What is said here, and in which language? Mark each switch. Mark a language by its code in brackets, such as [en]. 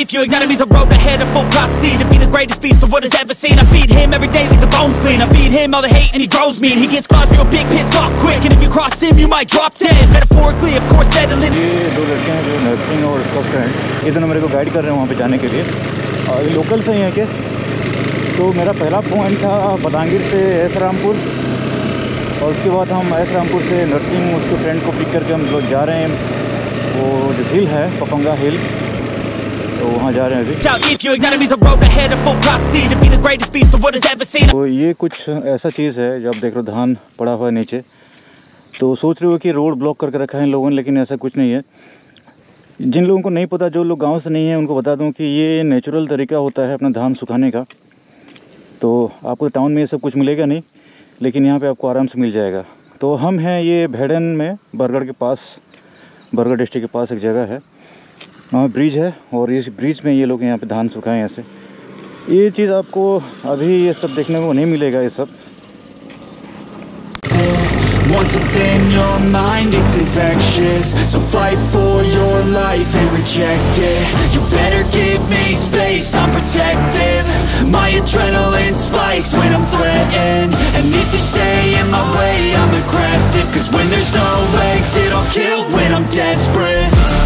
[en] If your enemy's a road ahead of full prophecy to be the greatest beast the world has ever seen, I feed him every day like the bones clean. I feed him all the hate and he grows mean. He gets claws real big, pissed off quick. And if you cross him, you might drop dead. Metaphorically, of course, settling. [hi] ये दो लड़के हैं जो nursing और उसका friend, ये दोनों मेरे को गाइड कर रहे हैं वहाँ पे जाने के लिए। और ये लोकल से ही हैं क्या? तो मेरा पहला पॉइंट था बदांगिर से ऐसरामपुर, और उसके बाद हम ऐसरामपुर से नर्सिंग उसके फ्रेंड को पिक करके हम लोग जा रहे हैं, वो जो हिल है पपंगा हिल, तो वहाँ जा रहे हैं अभी। तो ये कुछ ऐसा चीज़ है जब देख रहे हो धान पड़ा हुआ है नीचे, तो सोच रहे हो कि रोड ब्लॉक करके रखा है इन लोगों ने, लेकिन ऐसा कुछ नहीं है। जिन लोगों को नहीं पता, जो लोग गांव से नहीं है उनको बता दूं कि ये नेचुरल तरीका होता है अपना धान सुखाने का। तो आपको टाउन में ये सब कुछ मिलेगा नहीं, लेकिन यहाँ पर आपको आराम से मिल जाएगा। तो हम हैं ये भेड़न में, बरगढ़ के पास, बरगढ़ डिस्ट्रिक्ट के पास एक जगह है, वहाँ ब्रिज है और इस ब्रिज में ये लोग यहाँ पे धान सुखाएं ऐसे। ये चीज़ आपको अभी ये सब देखने को नहीं मिलेगा, ये सब। [en] Once it's in your mind, it's infectious. So fight for your life and reject it. You better give me space, I'm protective. My adrenaline spikes when I'm threatened. And if you stay in my way, I'm aggressive. Cause when there's no exit, I'll kill when I'm desperate.